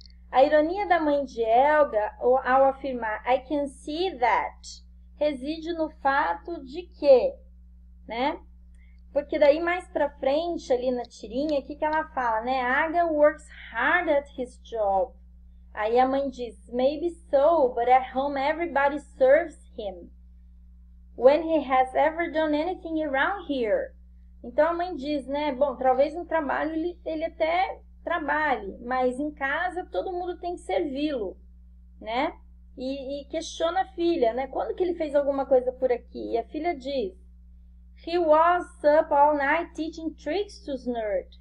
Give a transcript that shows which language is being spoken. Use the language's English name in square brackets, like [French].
[Portuguese] A ironia da mãe de Helga ao afirmar [English] I can see that [Portuguese] reside no fato de que, né? Porque daí mais para frente ali na tirinha, o que que ela fala, né? [English] Aga works hard at his job. [Portuguese] Aí a mãe diz, [English] maybe so, but at home everybody serves him when he has ever done anything around here. [Portuguese] Então a mãe diz, né? Bom, talvez no trabalho ele até trabalhe, mas em casa todo mundo tem que servi-lo, né? E questiona a filha, né? Quando que ele fez alguma coisa por aqui? E a filha diz: [English] He was up all night teaching tricks to Snurt.